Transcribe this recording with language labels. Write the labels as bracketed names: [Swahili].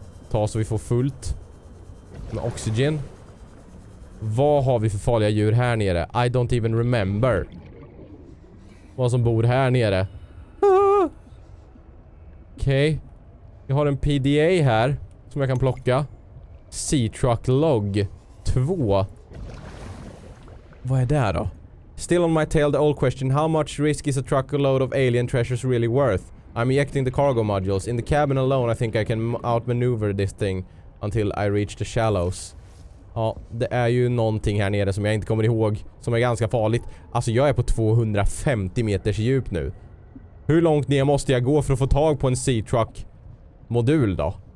[Swedish] Ta så vi får fullt. Med oxygen. Vad har vi för farliga djur här nere? [English] I don't even remember. [Swedish] Vad som bor här nere. Okej. Okay. Jag har en PDA här. Som jag kan plocka. Sea truck log. 2. Vad är det då? [English] Still on my tail, the old question. How much risk is a truckload of alien treasures really worth? I'm ejecting the cargo modules. In the cabin alone I think I can outmaneuver this thing until I reach the shallows. [Swedish] Ja, det är ju någonting här nere som jag inte kommer ihåg som är ganska farligt. Alltså jag är på 250 meters djup nu. Hur långt ner måste jag gå för att få tag på en sea truck modul då?